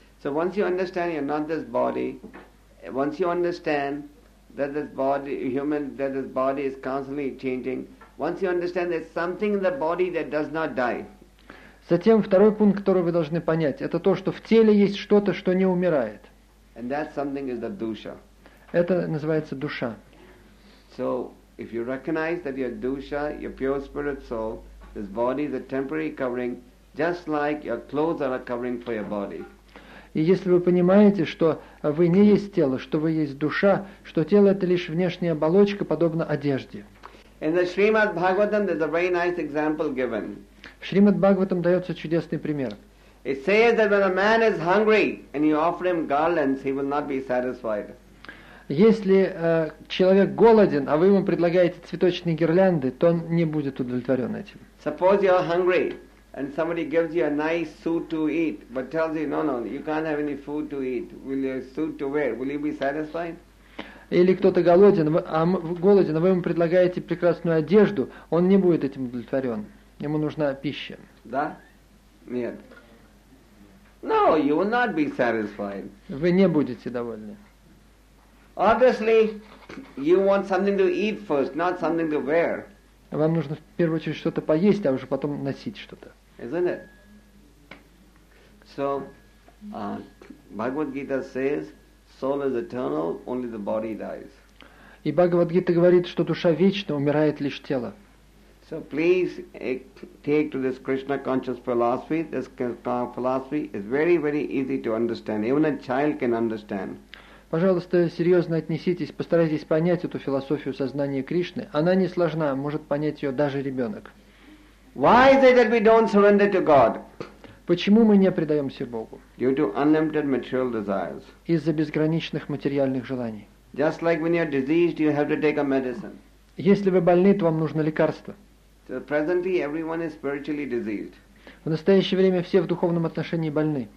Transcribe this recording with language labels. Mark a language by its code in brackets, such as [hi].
[en] So once you understand you're not this body, once you understand that this body, human, that this body is constantly changing, once you understand there's something in the body that does not die. [ru] Затем второй пункт, который вы должны понять, это то, что в теле есть что-то, что не умирает. [en] And that something is the dusha. [ru] Это называется душа. [en] So, if you recognize that your dusha, your pure spirit soul, this body is a temporary covering, just like your clothes are a covering for your body. [ru] И если вы понимаете, что вы не есть тело, что вы есть душа, что тело это лишь внешняя оболочка, подобно одежде. [en] In the Srimad Bhagavatam there's a very nice example given. [ru] В Шримад Бхагаватам дается чудесный пример. [en] It says that when a man is hungry and you offer him garlands, he will not be satisfied. [ru] Если человек голоден, а вы ему предлагаете цветочные гирлянды, то он не будет удовлетворен этим. [en] Suppose you're hungry and somebody gives you a nice suit to eat, but tells you, no, you can't have any food to eat. Will you have a suit to wear? Will you be satisfied? [ru] Или кто-то голоден, а вы ему предлагаете прекрасную одежду, он не будет этим удовлетворен. Ему нужна пища. Да? Нет. [en] No, you will not be satisfied. [ru] Вы не будете довольны. [en] Obviously, you want something to eat first, not something to wear. [ru] Вам нужно в первую очередь что-то поесть, а уже потом носить что-то. [en] Isn't it? So, Bhagavad Gita says, soul is eternal, only the body dies. [ru] И Бхагавад Гита говорит, что душа вечна, умирает лишь тело. [en] So please take to this Krishna conscious philosophy. This philosophy is very, very easy to understand. Even a child can understand. [ru] Пожалуйста, серьезно отнеситесь, постарайтесь понять эту философию сознания Кришны. Она не сложна, может понять ее даже ребенок. [en] Why is it that we don't surrender to God? [ru] Почему мы не предаемся Богу? [en] Due to unlimited material desires. [ru] Из-за безграничных материальных желаний. [en] Just like when you're diseased, you have to take a medicine. [ru] Если вы больны, то вам нужно лекарство. [en] So presently everyone is spiritually diseased. [ru] В настоящее время все в духовном отношении больны.